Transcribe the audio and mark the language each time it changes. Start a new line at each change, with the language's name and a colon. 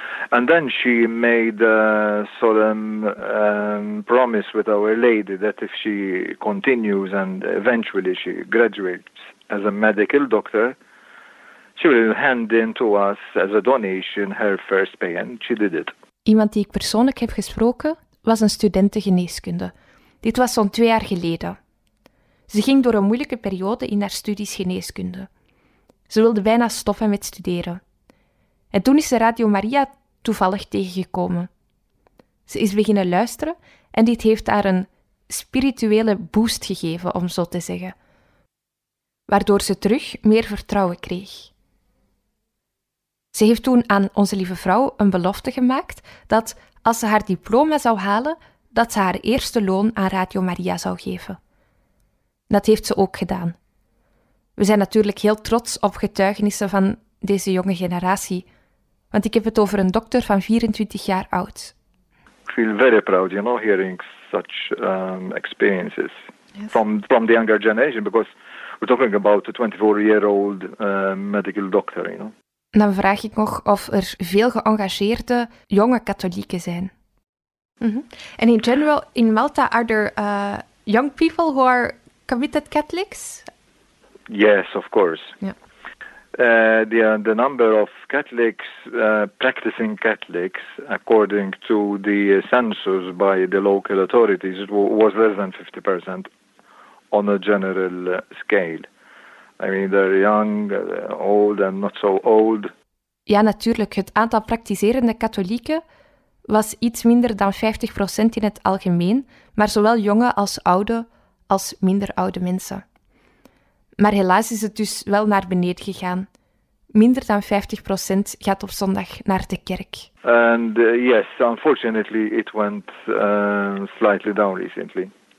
English: And then she made a solemn promise with Our Lady that if she continues and eventually she graduates as a medical doctor, she will hand in to us as a donation her first pay, and she did it.
Dutch: Iemand die ik persoonlijk heb gesproken was een studentengeneeskunde. Dit was zo'n 2 jaar geleden. Ze ging door een moeilijke periode in haar studies geneeskunde. Ze wilde bijna stoppen met studeren. En toen is ze Radio Maria toevallig tegengekomen. Ze is beginnen luisteren en dit heeft haar een spirituele boost gegeven, om zo te zeggen. Waardoor ze terug meer vertrouwen kreeg. Ze heeft toen aan Onze Lieve Vrouw een belofte gemaakt dat als ze haar diploma zou halen, dat ze haar eerste loon aan Radio Maria zou geven. Dat heeft ze ook gedaan. We zijn natuurlijk heel trots op getuigenissen van deze jonge generatie, want ik heb het over een dokter van 24 jaar oud.
English: feel very proud, you know, hearing such experiences. Yes. from the younger generation, because we're talking about a 24-year-old medical doctor, you know.
Dutch: Dan vraag ik nog of er veel geëngageerde jonge katholieken zijn. Mm-hmm.
English: And in general, in Malta, are there young people who are committed Catholics? Yes, of course. Yeah. The number of Catholics, practicing Catholics, according to the census by the local authorities, was less than 50% on a general scale. I mean, they're young, old and not so old.
Dutch: Ja, natuurlijk. Het aantal praktiserende katholieken was iets minder dan 50% in het algemeen, maar zowel jonge als oude, als minder oude mensen. Maar helaas is het dus wel naar beneden gegaan. Minder dan 50% gaat op zondag naar de kerk.
English: And yes, unfortunately it went slightly down recently.